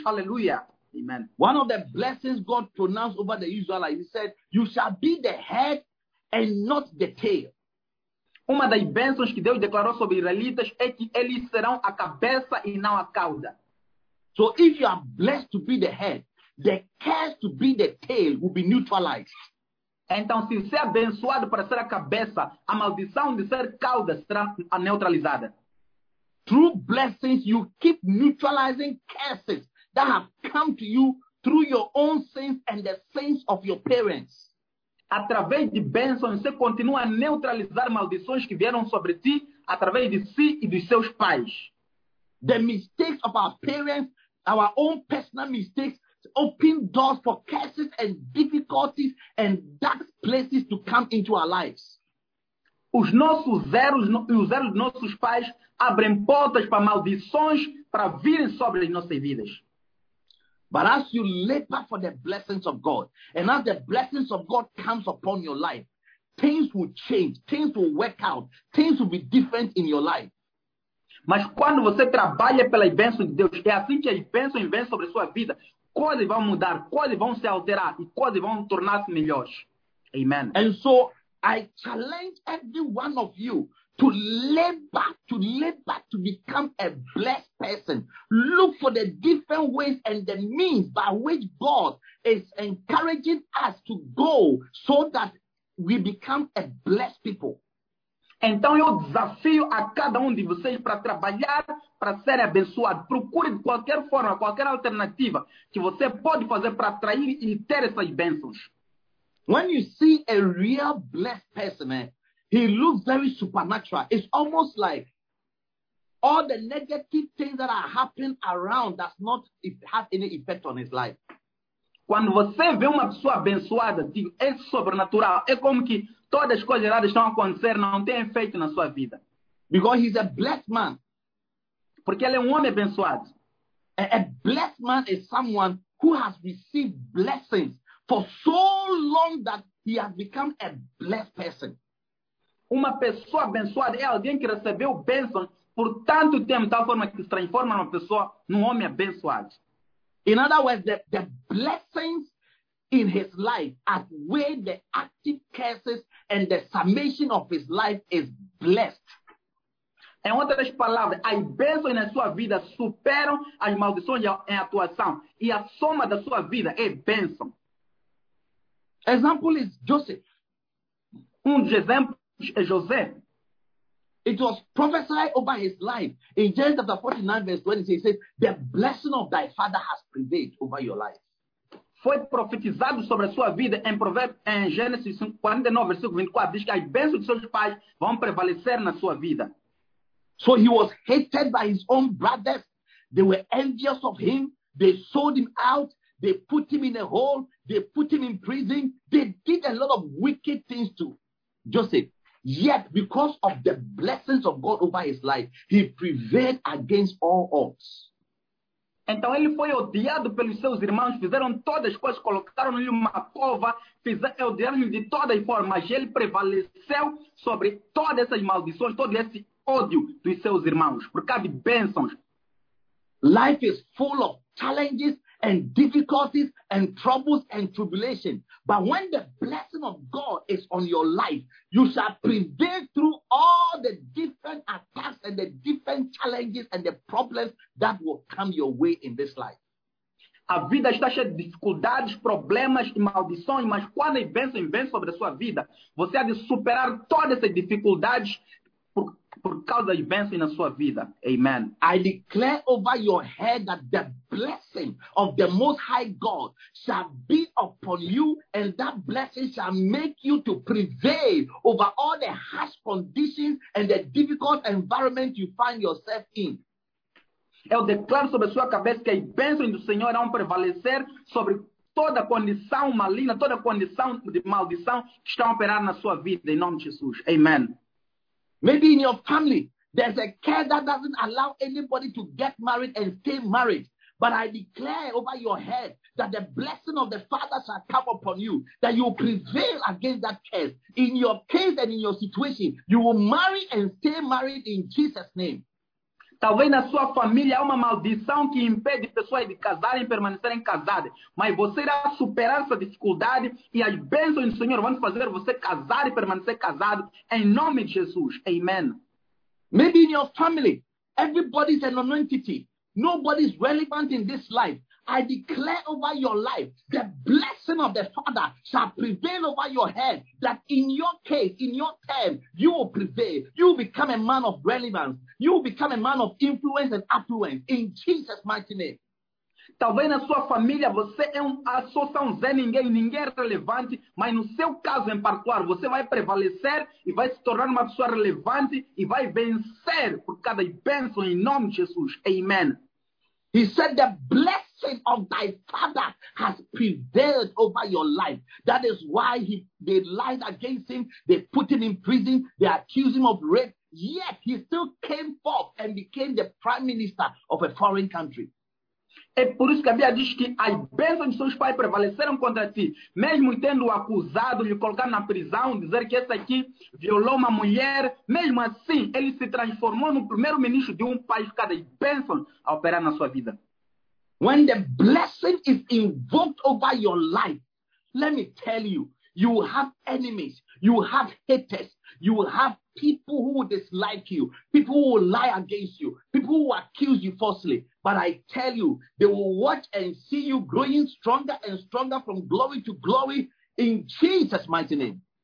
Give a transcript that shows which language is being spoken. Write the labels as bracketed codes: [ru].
[en] Hallelujah. Amen. One of the blessings God pronounced over the Israelites, he said, you shall be the head and not the tail. [pt] Uma das bênçãos que Deus declarou sobre israelitas é que eles serão a cabeça e não a cauda. [en] So if you are blessed to be the head, the curse to be the tail will be neutralized. [pt] Então, se você é abençoado para ser a cabeça, a maldição de ser cauda será neutralizada. [en] Through blessings, you keep neutralizing curses that have come to you through your own sins and the sins of your parents. [pt] Através de bênçãos, você continua a neutralizar maldições que vieram sobre ti, através de si e dos seus pais. [en] The mistakes of our parents, our own personal mistakes, open doors for curses and difficulties and dark places to come into our lives. [pt] Os nossos erros e os erros dos nossos pais abrem portas para maldições para virem sobre as nossas vidas. [en] But as you labor for the blessings of God, and as the blessings of God comes upon your life, things will change, things will work out, things will be different in your life. [pt] Mas quando você trabalha pelas bênçãos de Deus, é assim que as bênçãos vêm sobre a sua vida, coisas vão mudar, coisas vão se alterar e coisas vão tornar-se melhores. [en] Amen. And so, I challenge every one of you to labor to become a blessed person. Look for the different ways and the means by which God is encouraging us to go so that we become a blessed people. [pt] Então eu desafio a cada de vocês para trabalhar, para ser abençoado. Procure de qualquer forma, qualquer alternativa que você pode fazer para atrair e ter essas bênçãos. [en] When you see a real blessed person, man, he looks very supernatural. It's almost like all the negative things that are happening around does not have any effect on his life. [pt] Quando você vê uma pessoa abençoada, é sobrenatural. É como que todas as coisas erradas estão acontecendo, não tem efeito na sua vida. [en] Because he's a blessed man. [pt] Porque ele é homem abençoado. [en] A blessed man is someone who has received blessings for so long that he has become a blessed person. [pt] Uma pessoa abençoada é alguém que recebeu bênção por tanto tempo, tal forma que se transforma numa pessoa, num homem abençoado. [en] In other words, the blessings in his life outweigh the active curses and the summation of his life is blessed. [pt] Em outras palavras, as bênçãos na sua vida superam as maldições em atuação e a soma da sua vida é bênção. [en] Example is Joseph. [pt] Dos exemplos. José. [en] It was prophesied over his life in Genesis chapter 49, verse 20. It says, "The blessing of thy father has prevailed over your life." [pt] Foi profetizado sobre a sua vida em Gênesis 49, versículo 24. Diz que as bênçãos de seus pais vão prevalecer na sua vida. [en] So he was hated by his own brothers. They were envious of him. They sold him out. They put him in a hole. They put him in prison. They did a lot of wicked things to Joseph. Yet, because of the blessings of God over his life, he prevailed against all odds. [pt] Então, ele foi odiado pelos seus irmãos, fizeram todas as coisas, colocaram-lhe uma cova, odiaram-lhe de todas as formas, ele prevaleceu sobre todas essas maldições, todo esse ódio dos seus irmãos, por causa de bênçãos. [en] Life is full of challenges and difficulties and troubles and tribulation. But when the blessing of God is on your life, you shall prevail through all the different attacks and the different challenges and the problems that will come your way in this life. [pt] A vida está cheia de dificuldades, problemas e maldições, mas quando a bênção vem sobre a sua vida, você há de superar todas essas dificuldades por causa das bênçãos na sua vida. [en] Amen. I declare over your head that the blessing of the Most High God shall be upon you, and that blessing shall make you to prevail over all the harsh conditions and the difficult environment you find yourself in. [pt] Eu declaro sobre a sua cabeça que as bênçãos do Senhor irão prevalecer sobre toda condição maligna, toda condição de maldição que estão a operar na sua vida, em nome de Jesus. [en] Amen. Maybe in your family, there's a care that doesn't allow anybody to get married and stay married. But I declare over your head that the blessing of the Father shall come upon you, that you will prevail against that curse. In your case and in your situation, you will marry and stay married in Jesus' name. [pt] Talvez na sua família há uma maldição que impede pessoas de casarem e permanecerem casadas. Mas você irá superar essa dificuldade e as bênçãos do Senhor vão fazer você casar e permanecer casado. Em nome de Jesus. Amen. [en] Maybe in your family, everybody's an entity. Nobody's relevant in this life. I declare over your life, the blessing of the Father shall prevail over your head, that in your case, in your term, you will prevail. You will become a man of relevance. You will become a man of influence and affluence in Jesus' mighty name. [pt] Talvez na sua família você é só um zé ninguém, ninguém é relevante, mas no seu caso em particular, você vai prevalecer e vai se tornar uma pessoa relevante e vai vencer por cada bênção em nome de Jesus. [en] Amen. He said the blessing of thy Father has prevailed over your life. That is why they lied against him. They put him in prison. They accused him of rape. Yet he still came forth and became the prime minister of a foreign country. [pt] É por isso que a Bíblia diz que as bênçãos de seus pais prevaleceram contra ti. Mesmo tendo o acusado de colocar na prisão, dizer que esse aqui violou uma mulher, mesmo assim, ele se transformou no primeiro ministro de um país, cada bênção a operar na sua vida. [en] When the blessing is invoked over your life, let me tell you, you will have enemies, you will have haters, you will have people who will dislike you, people who will lie against you, people who will accuse you falsely. But I tell you, they will watch and see you growing stronger and stronger from glory to glory in Jesus' mighty name.